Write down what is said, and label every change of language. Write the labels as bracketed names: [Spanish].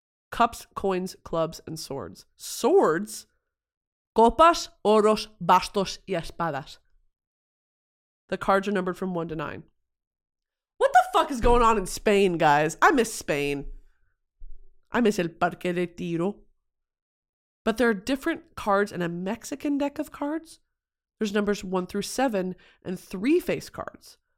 [English] Cups, coins, clubs, and swords. Swords? [Spanish] Copas, oros, bastos, y espadas. [English] The cards are numbered from 1 to 9. What the fuck is going on in Spain, guys? I miss Spain. I miss [Spanish] el parque de tiro. [English] But there are different cards in a Mexican deck of cards. There's numbers 1 through 7 and 3 face cards.